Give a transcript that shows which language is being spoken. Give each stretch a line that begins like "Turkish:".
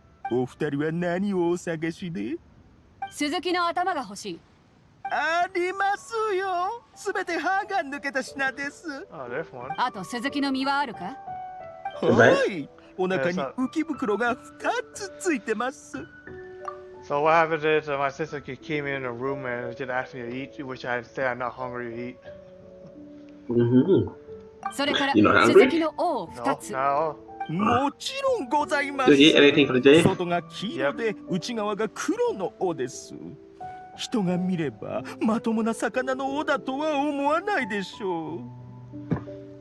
Japanese: お二人は何をお探しで？スズキの頭が欲しい。ありますよ、すべて歯が抜けた品です。あとスズキの身はあるか？はい、お腹に浮き袋が2つついてます。
English: So what happened is my sister came in a room and just asked me to eat, which I said I'm not hungry to eat.
Japanese: それから鈴木の尾を2つ。
English: No, no.
Japanese: もちろんございます。外が黄色で内側が黒の尾です。人が見ればまともな魚の尾だとは思わないでしょう。